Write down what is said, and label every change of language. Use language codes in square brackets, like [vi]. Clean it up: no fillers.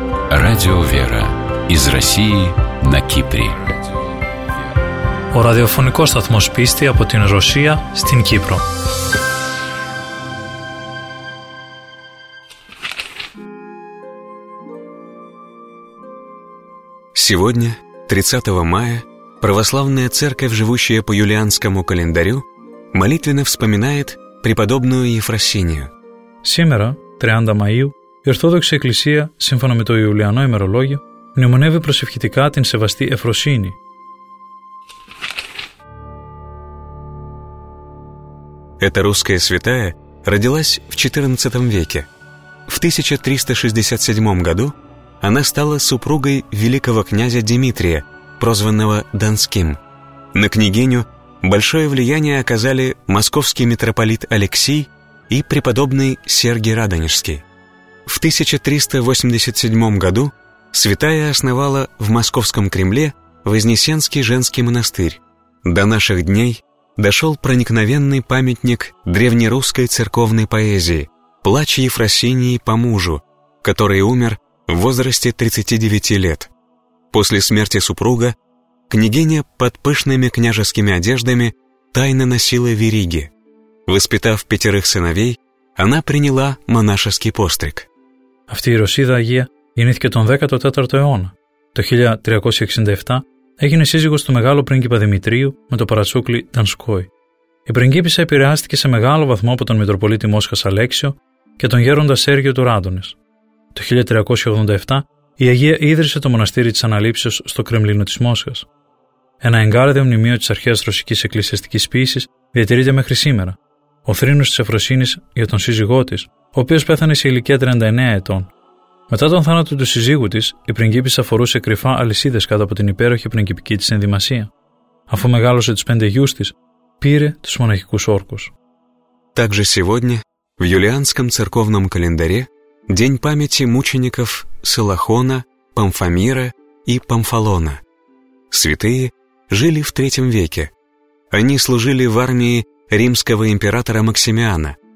[ru] Радио «Вера» из России на Кипре. [el] Ο ραδιοφωνικός σταθμός πίστη από την Ρωσία στην Κύπρο. [ru] Сегодня, 30 мая, Православная Церковь, живущая по юлианскому календарю, молитвенно вспоминает преподобную Ефросинию. Сегодня, 30 мая, [el] Ορθόδοξη Εκκλησία, σύμφωνα με το Ιουλιανό ημερολόγιο, μνημονεύει προσευχητικά την σεβαστή Εφροσύνη. [ru] Эта русская святая родилась в 14 веке. В 1367 году она стала супругой великого князя Дмитрия, прозванного Донским. На княгиню большое влияние оказали московский митрополит Алексий и преподобный Сергий Радонежский. В 1387 году святая основала в московском Кремле Вознесенский женский монастырь. До наших дней дошел проникновенный памятник древнерусской церковной поэзии «Плач Ефросинии по мужу», который умер в возрасте 39 лет. После смерти супруга княгиня под пышными княжескими одеждами тайно носила вериги. Воспитав пятерых сыновей, она приняла монашеский постриг. [el] Αυτή η Ρωσίδα Αγία γεννήθηκε τον 14ο αιώνα. Το 1367 έγινε σύζυγος του μεγάλου πρίγκιπα Δημητρίου με το παρατσούκλι Τανσκόι. Η πριγκίπισσα επηρεάστηκε σε μεγάλο βαθμό από τον Μητροπολίτη Μόσχας Αλέξιο και τον γέροντα Σέργιο του Ράντονες. Το 1387 η Αγία ίδρυσε το μοναστήρι της Αναλήψεως στο Κρεμλίνο της Μόσχας. Ένα εγκάρδιο μνημείο της αρχαίας ρωσικής εκκλησιαστικής ποιήσης διατηρείται μέχρι σήμερα. Ο θρήνος της Εφροσύνης για τον σύζυγό της, ο οποίος πέθανε σε ηλικία 39 ετών. Μετά τον θάνατο του σύζυγου της, η πριγκίπισσα φορούσε κρυφά αλυσίδες κάτω από την υπέροχη πριγκιπική της ενδυμασία. Αφού μεγάλωσε τους 5 γιους της, πήρε τους μοναχικούς όρκους. [ru] Также сегодня в юлианском церковном календаре день памяти мучеников Селахона, Памфамира и Памфалона. Святые жили в 3 веке. Они служили в армии римского императора Максимиана.